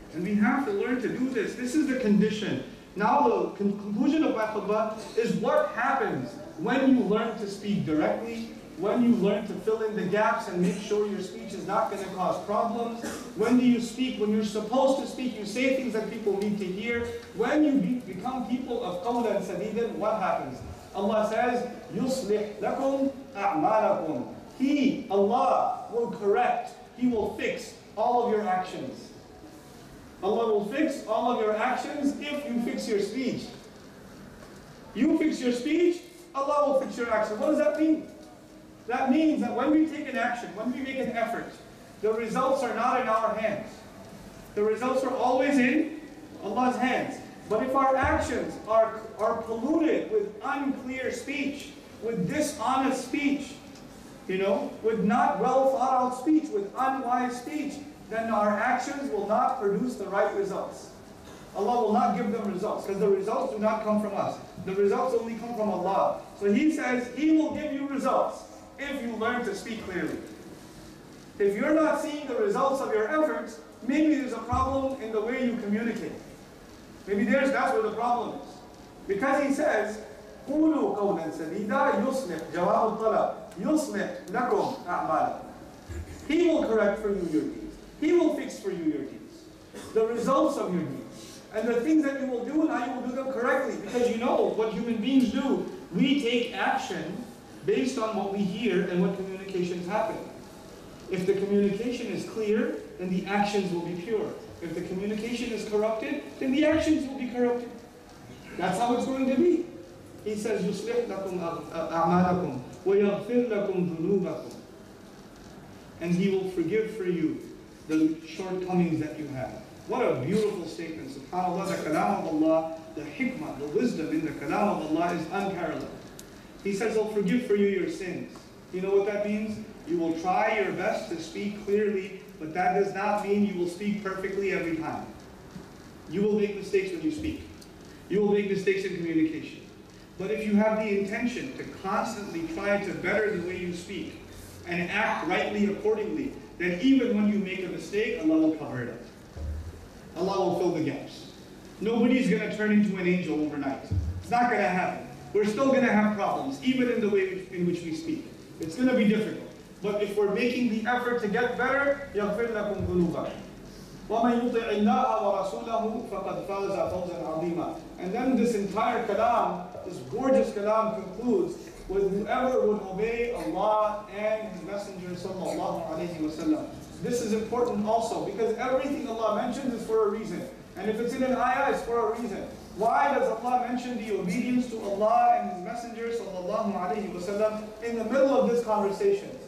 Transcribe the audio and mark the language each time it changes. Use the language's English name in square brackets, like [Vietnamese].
[English] And we have to learn to do this. This is the condition. Now the conclusion of my khutbah is what happens when you learn to speak directly, when you learn to fill in the gaps and make sure your speech is not going to cause problems. When do you speak? When you're supposed to speak, you say things that people need to hear. When you become people of qawlan sadidan, what happens? [Arabic] Allah says, يُصْلِحْ لَكُمْ أَعْمَالَكُمْ. [English] He, Allah, will correct. He will fix all of your actions. Allah will fix all of your actions if you fix your speech. You fix your speech, Allah will fix your action. What does that mean? That means that when we take an action, when we make an effort, the results are not in our hands. The results are always in Allah's hands. But if our actions are polluted with unclear speech, with dishonest speech, you know, with not well thought out speech, with unwise speech, then our actions will not produce the right results. Allah will not give them results, because the results do not come from us. The results only come from Allah. So He says He will give you results if you learn to speak clearly. If you're not seeing the results of your efforts, maybe there's a problem in the way you communicate. Maybe that's where the problem is. Because he says, [Arabic] قُولُوا قَوْلًا سَدِيدًا يُصْلِحْ جَوَابُ الطَّلَبِ يُصْلِحْ لَكُمْ أَعْمَالًا. [English] He will correct for you your deeds. He will fix for you your deeds. The results of your deeds. And the things that you will do, and how you will do them correctly. Because you know what human beings do. We take action based on what we hear and what communications happen. If the communication is clear, then the actions will be pure. If the communication is corrupted, then the actions will be corrupted. That's how it's going to be. [Arabic] He says, يُصْلِحْ لَكُمْ أَعْمَالَكُمْ وَيَغْفِرْ لَكُمْ ذُنُوبَكُمْ. [English] And He will forgive for you the shortcomings that you have. What a beautiful statement. SubhanAllah, the kalam of Allah, the hikmah, the wisdom in the kalam of Allah is unparalleled. He says, He'll forgive for you your sins. You know what that means? You will try your best to speak clearly, but that does not mean you will speak perfectly every time. You will make mistakes when you speak. You will make mistakes in communication. But if you have the intention to constantly try to better the way you speak and act rightly accordingly, then even when you make a mistake, Allah will cover it up. Allah will fill the gaps. Nobody's going to turn into an angel overnight. It's not going to happen. We're still going to have problems, even in the way in which we speak. It's going to be difficult. But if we're making the effort to get better, [Arabic] يَغْفِرْ لَكُمْ ذُنُوبَكُمْ وَمَنْ يُطِعِ اللَّهَ وَرَسُولَهُ فَقَدْ فَازَ فَوْزًا عَظِيمًا. [English] And then this entire kalam, this gorgeous kalam, concludes with whoever would obey Allah and His Messenger sallallahu alayhi wa sallam. This is important also, because everything Allah mentions is for a reason. And if it's in an ayah, it's for a reason. Why does Allah mention the obedience to Allah and His Messenger sallallahu alayhi wa sallam in the middle of this conversation?